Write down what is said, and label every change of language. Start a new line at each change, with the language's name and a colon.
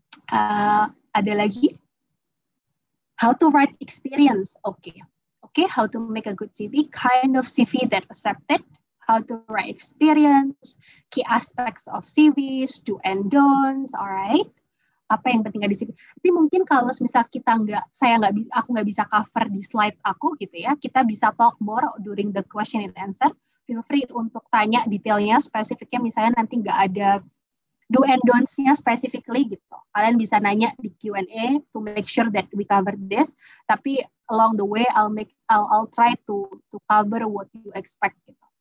Indonesian: Ada lagi,
English: how to write experience, okay? How to make a good CV, kind of CV that accepted, how to write experience, key aspects of CVs, do and don'ts, alright?
Indonesian: Apa yang penting ada di sini? Nanti mungkin kalau misal kita nggak, saya nggak, aku nggak bisa cover di slide aku gitu ya, kita bisa
English: talk more during the question and answer. Feel free
Indonesian: untuk tanya detailnya, spesifiknya misalnya nanti nggak ada do and don'ts-nya specifically gitu. Kalian bisa nanya di
English: Q&A to make sure that we cover this.
Indonesian: Tapi
English: along the way, I'll try to cover what you expect gitu.